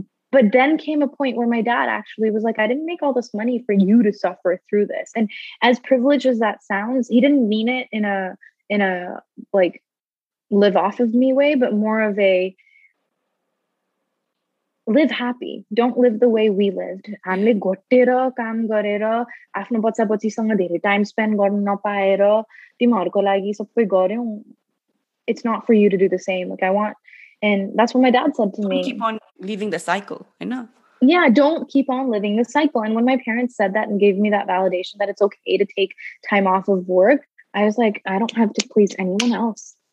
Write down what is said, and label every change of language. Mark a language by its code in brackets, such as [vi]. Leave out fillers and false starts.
[en] But then came a point where my dad actually was like, I didn't make all this money for you to suffer through this. And as privileged as that sounds, he didn't mean it in a like live off of me way, but more of a live happy. Don't live the way we lived. [ne] हामीले घोटेर काम गरेर आफ्नो बच्चा बच्चीसँग धेरै time spend गर्न नपाएर तिमीहरूको लागि सबै गर्यौ. [en] It's not for you to do the same. Like, I want, and that's what my dad said to me. Don't keep on living the cycle. I know. Yeah, don't keep on living the cycle. And when my parents said that and gave me that validation that it's okay to take time off of work, I was like, I don't have to please anyone else.